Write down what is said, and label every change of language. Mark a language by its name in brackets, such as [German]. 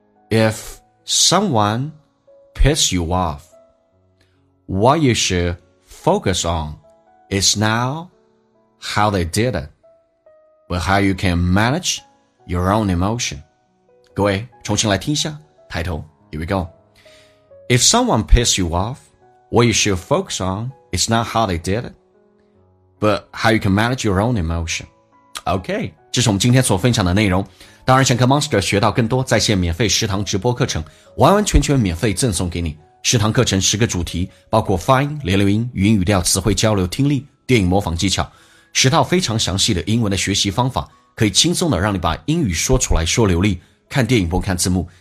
[English] If someone piss you off, what you should focus on is now how they did it, but how you can manage your own emotion. [Chinese] 各位重新来听一下，抬头。 [English] Here we go. If someone piss you off, what you should focus on is not how they did it, but how you can manage your own emotion. [Chinese] Okay, 这是我们今天所分享的内容。当然想跟 Monster 学到更多在线免费食堂直播课程，完完全全免费赠送给你。食堂课程十个主题，包括发音、连流音、语音语调、词汇交流、听力、电影模仿技巧，十套非常详细的英文的学习方法，可以轻松的让你把英语说出来说流利，看电影不用看字幕。